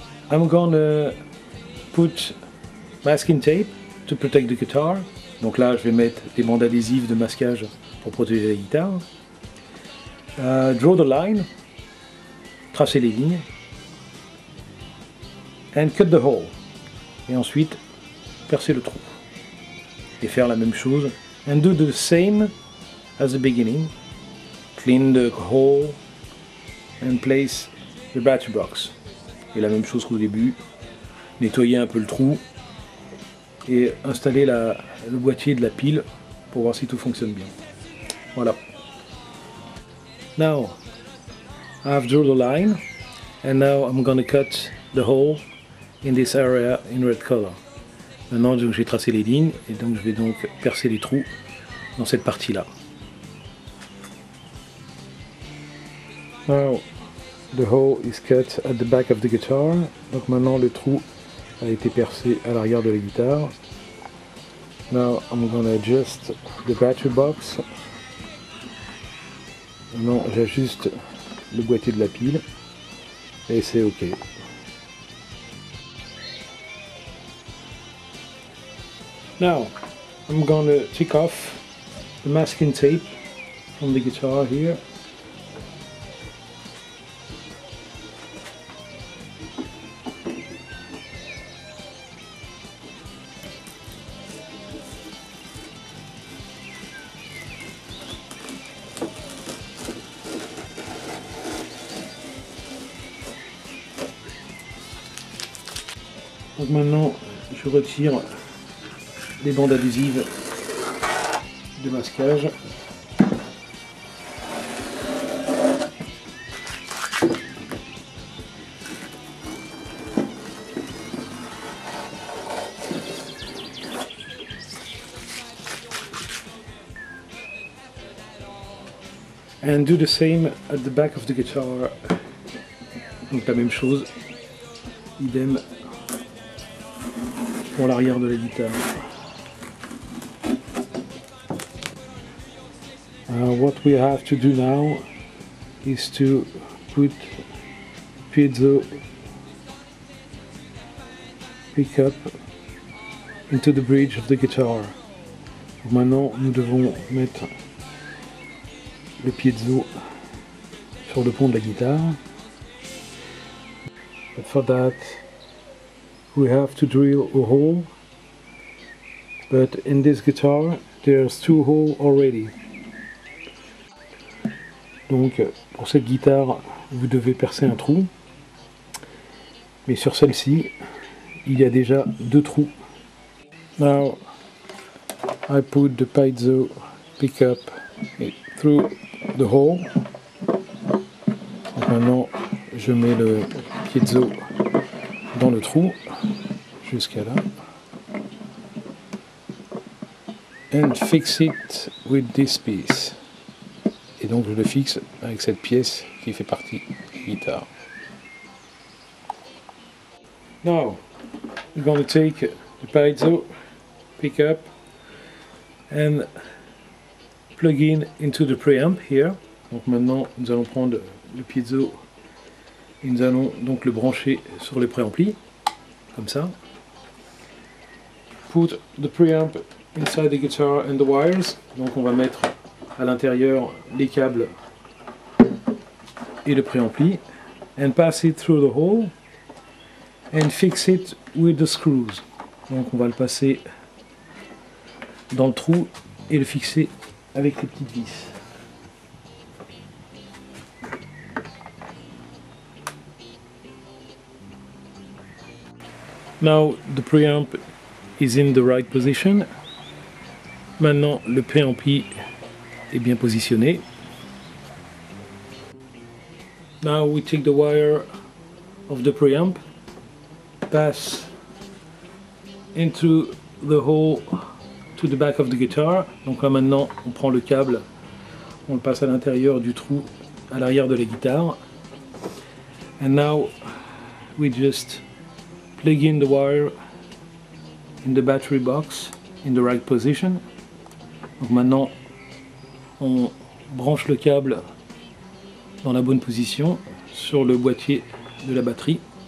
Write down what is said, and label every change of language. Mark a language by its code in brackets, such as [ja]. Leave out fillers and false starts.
[en] I'm gonna put masking tape to protect the guitar. [fr] Donc là, je vais mettre des bandes adhésives de masquage pour protéger la guitare. [en] Draw the line, [fr] tracer les lignes. [en] And cut the hole. [fr] Et ensuite, percer le trou. Et faire la même chose. [en] And do the same as the beginning. Clean the hole and place the battery box. [fr] Et la même chose qu'au début. Nettoyer un peu le trou. Et installer le boîtier de la pile pour voir si tout fonctionne bien. [en] Voilà. Now, I've drawn the line. And now I'm gonna cut the hole in this area in red color. [fr] Maintenant, donc, j'ai tracé les lignes et donc je vais donc percer les trous dans cette partie-là. [en] Now, the hole is cut at the back of the guitar. [fr] Donc maintenant, le trou a été percé à l'arrière de la guitare. [en] Now, I'm gonna adjust the battery box. [fr] Maintenant, j'ajuste le boîtier de la pile et c'est OK. [en] Now, I'm gonna take off the masking tape from the guitar here. [fr] Donc maintenant, je retire des bandes adhésives de masquage. [en] And do the same at the back of the guitar. [fr] Donc la même chose, idem pour l'arrière de la guitare. [en] What we have to do now is to put piezo pickup into the bridge of the guitar. [fr] Maintenant, nous devons mettre le piezo sur le pont de la guitare. [en] But for that, we have to drill a hole. But in this guitar, there's two holes already. [fr] Donc pour cette guitare, vous devez percer un trou, mais sur celle-ci, il y a déjà deux trous. [en] Now, I put the piezo pickup through the hole. [fr] Donc maintenant, je mets le piezo dans le trou, jusqu'à là. [en] and fix it with this piece. [fr] Et donc je le fixe avec cette pièce qui fait partie de la guitare. [en] Now, we're going to take the piezo pickup and plug in into the preamp here. [fr] Donc maintenant, nous allons prendre le piezo et nous allons donc le brancher sur le préampli, comme ça. [en] Put the preamp inside the guitar and the wires. [fr] Donc on va mettre à l'intérieur les câbles et le préampli. [en] And pass it through the hole. And fix it with the screws. [fr] Donc on va le passer dans le trou et le fixer avec les petites vis. [en] Now the preamp is in the right position. [fr] Maintenant le préampli est bien positionné. [en] Now we take the wire of the preamp. Pass into the hole to the back of the guitar. [fr] Donc là maintenant on prend le câble, on le passe à l'intérieur du trou à l'arrière de la guitare. [en] And now we just plug in the wire in the battery box in the right position. [fr] Donc maintenant on branche le câble dans la bonne position sur le boîtier de la batterie.